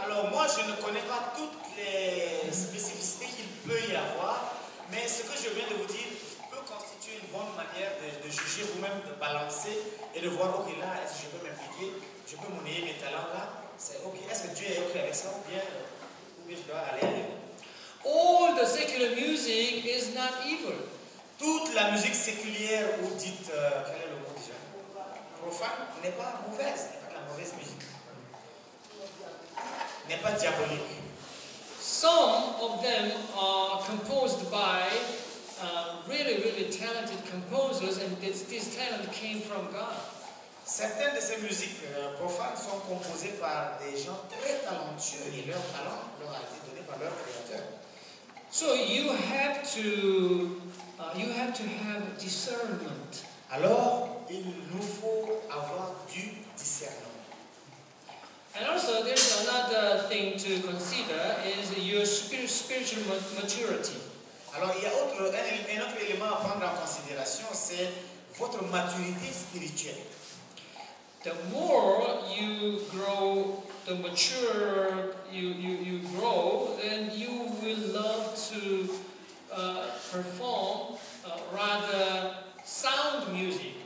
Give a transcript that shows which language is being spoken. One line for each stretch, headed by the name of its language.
French: Alors moi je ne connais pas toutes les spécificités qu'il peut y avoir, mais ce que je viens de vous dire constituer une bonne manière de juger vous-même, de balancer et de voir, ok, là, est-ce que je peux m'impliquer, je peux monnayer mes talents là, c'est ok, est-ce que Dieu est ok avec ça ou bien je dois aller.
English: All the secular music is not evil.
French: Toute la musique séculière ou dite, quel est le mot déjà, profane, n'est pas mauvaise, n'est pas la mauvaise musique, n'est pas diabolique.
English: Some of them are composed by really, really talented composers, and this talent came from God.
French: Certaines de ces musiques profanes sont composées par des gens très talentueux et leur talent leur a été donné par leur créateur.
English: So you have to have discernment.
French: Alors, il nous faut avoir du discernement.
English: And also, there's another thing to consider is your spiritual maturity.
French: Alors, il y a un autre élément à prendre en considération, c'est votre maturité spirituelle.
English: The more you grow, the mature you grow, then you will love to perform rather sound music.